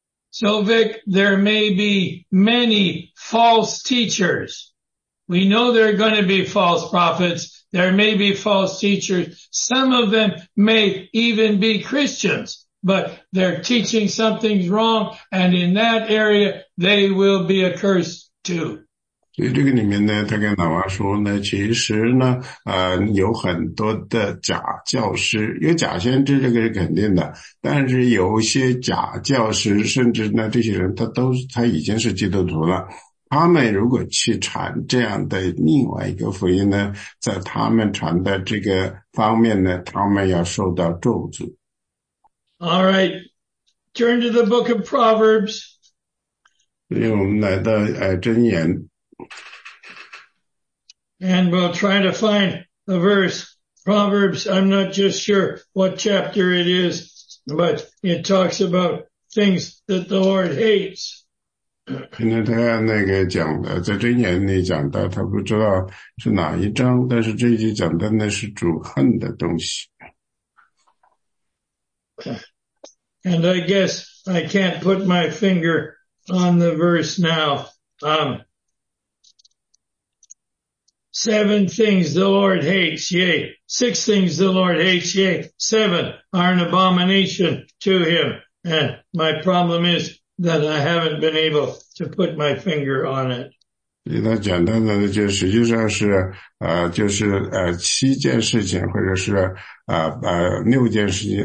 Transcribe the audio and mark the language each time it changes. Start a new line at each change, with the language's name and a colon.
English: So Vic, there may be many false teachers. We know there are going to be false prophets. There may be false teachers. Some of them may even be Christians, but they're teaching something's wrong, and in that area, they will be accursed too.
Chinese: 所以这个里面呢，他跟老王说呢，其实呢，有很多的假教师，有假先知，这个是肯定的。但是有些假教师，甚至呢，这些人他已经是基督徒了。他们如果去传这样的另外一个福音呢，在他们传的这个方面呢，他们要受到咒诅。
English: All right, turn to the book of Proverbs.
Chinese: 所以我们来到箴言。
English: And we'll try to find the verse, Proverbs, I'm not just sure what chapter it is, but it talks about things that the Lord hates.
Chinese: 今天他那个讲的，在箴言里讲的，他不知道是哪一章，但是这一句讲的那是主恨的东西。
English: And I guess I can't put my finger on the verse now. Seven things the Lord hates, yea. Six things the Lord hates, yea. Seven are an abomination to him. And my problem is that I haven't been able to put my finger on it.
Chinese: 那简单的就实际上是七件事情或者是六件事情。